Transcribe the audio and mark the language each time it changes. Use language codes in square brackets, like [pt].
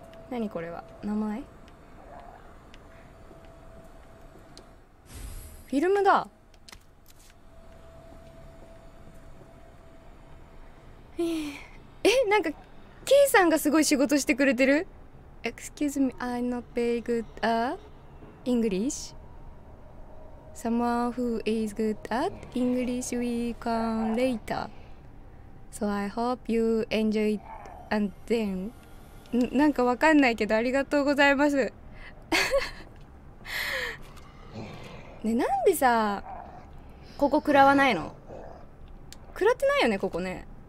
[ja] 何これは、名前？フィルムだ。え、なんかKさんがすごい仕事してくれてる。 [en] Excuse me, I'm not very good at English. Someone who is good at English we can later. So I hope you enjoy it and then [ja] なんかわかんないけどありがとうございます。ね、なんでさここ食らわないの。食らってないよねここね。